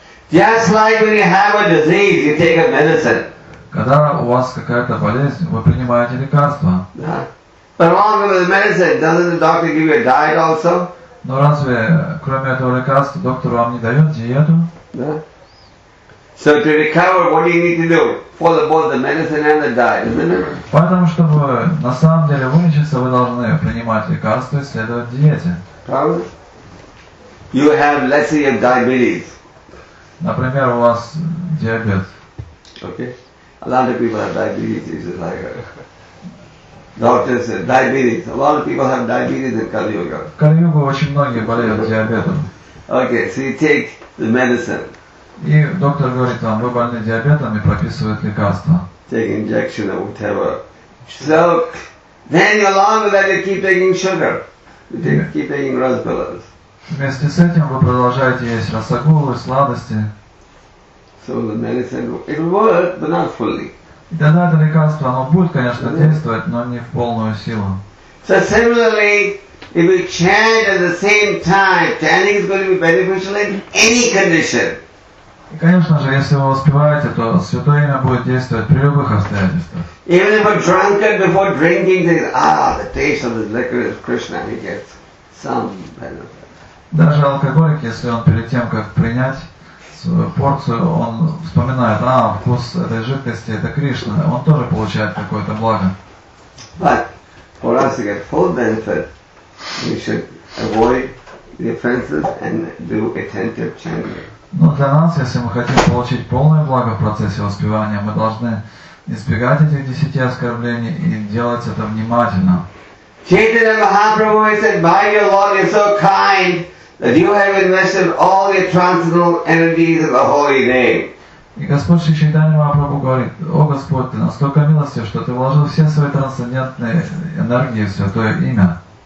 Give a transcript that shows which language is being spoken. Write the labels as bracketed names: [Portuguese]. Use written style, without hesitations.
[English] Just like when you have a disease, you take a medicine. [Russian] Когда у вас какая-то болезнь, вы принимаете лекарства. [English] Yeah. But along with the medicine, doesn't the doctor give you a diet also? [Russian] Но разве кроме этого лекарства доктор вам не дает диету? [English] Yeah. So to recover, what do you need to do? Follow both the medicine and the diet, isn't it? [Russian] Поэтому, чтобы на самом деле вылечиться, вы должны принимать лекарства и следовать диете. Правда? [English] You have less of your diabetes. [Russian] Например, у вас диабет. [English] Okay. A lot of people have diabetes. It's like doctors say diabetes. A lot of people have diabetes in Kali Yuga. [Russian] Kali Yuga очень многие болеют диабетом. [English] Okay, so you take the medicine. [Russian] И доктор говорит вам, вы больны диабетом и прописывает лекарства. [English] Take injection or whatever. So then you're along with that you keep taking sugar. Keep taking rasgullas. [Russian] Вместе с этим вы продолжаете есть рассагулы, сладости. [English] So the medicine it will work, but not fully. [Russian] И тогда это лекарство оно будет, конечно, действовать, но не в полную силу. [English] So similarly, If we chant at the same time, chanting is going to be beneficial in any condition. [Russian] И, конечно же, если вы воспеваете, то Святое Имя будет действовать при любых обстоятельствах. Даже алкоголик, если он перед тем, как принять свою порцию, он вспоминает, а, вкус этой жидкости, это Кришна, он тоже получает какое-то благо. [English] But for us to get full benefit, we should avoid the offenses and do attentive chanting. [Russian] Но для нас, если мы хотим получить полное благо в процессе воспевания, мы должны избегать этих 10 оскорблений и делать это внимательно. [English] Chaitanya Mahaprabhu said, "By your Lord, you're so kind that you have invested all your transcendental energies in the holy name." [Russian] И Господь Чайтанья Махапрабху говорит, «О Господь, Ты настолько милостив, что Ты вложил все свои трансцендентные энергии в Святое Имя».